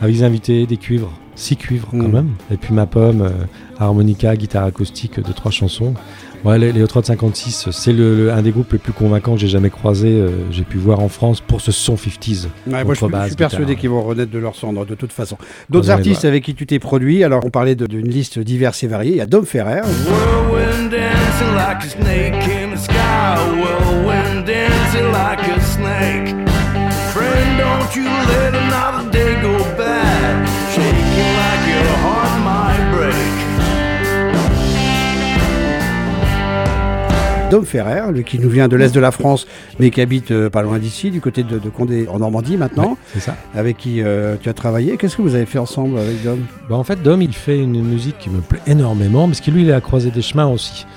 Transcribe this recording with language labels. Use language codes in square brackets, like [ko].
[fr] Avec des invités, des cuivres, 6 cuivres quand même. Et puis ma pomme, harmonica, guitare acoustique de 3 chansons. Ouais, les Hot Rod 56, c'est un des groupes les plus convaincants que j'ai jamais croisé, j'ai pu voir en France pour ce son 50s. Ouais, moi, je suis persuadé qu'ils vont renaître de leur cendre, de toute façon. D'autres artistes avec qui tu t'es produit, alors on parlait d'une liste diverse et variée, il y a Dom Ferrer. [en] Whirlwind dancing like a snake in the sky. Whirlwind dancing like a snake. Friend, don't you let another day go bad. Shaking like your heart might break. [fr] Dom Ferrer, lui qui nous vient de l'est de la France, mais qui habite pas loin d'ici, du côté de Condé, en Normandie maintenant. Ouais, c'est ça. Avec qui tu as travaillé. Qu'est-ce que vous avez fait ensemble avec Dom ? Bah, en fait, Dom, il fait une musique qui me plaît énormément, parce que lui, il est à croiser des chemins aussi.